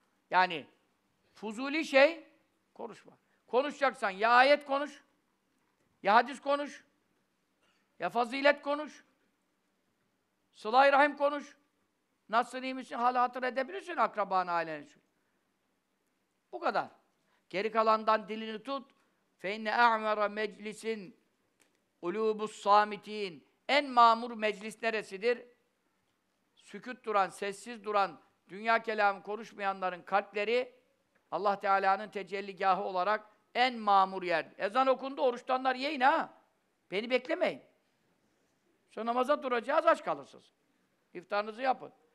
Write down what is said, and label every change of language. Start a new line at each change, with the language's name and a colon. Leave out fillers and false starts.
Turkish: Yani fuzuli şey, konuşma. Konuşacaksan ya ayet konuş, ya hadis konuş, ya fazilet konuş, sıla-i rahim konuş. Nasılsın, iyi misin, hala hatır edebilirsin akrabanı, aileni. Bu kadar. Geri kalandan dilini tut.
Arabic: فَاِنَّ اَعْمَرَ مَجْلِسٍ اُلُوبُ السَّامِت۪ينَ
Turkish: En mamur meclis neresidir? Sükût duran, sessiz duran, dünya kelamı konuşmayanların kalpleri Allah Teala'nın tecelligahı olarak En mamur yer. Ezan okundu, oruçtanlar yiyin ha. Beni beklemeyin. Şu namaza duracağız, aç kalırsınız. İftarınızı yapın.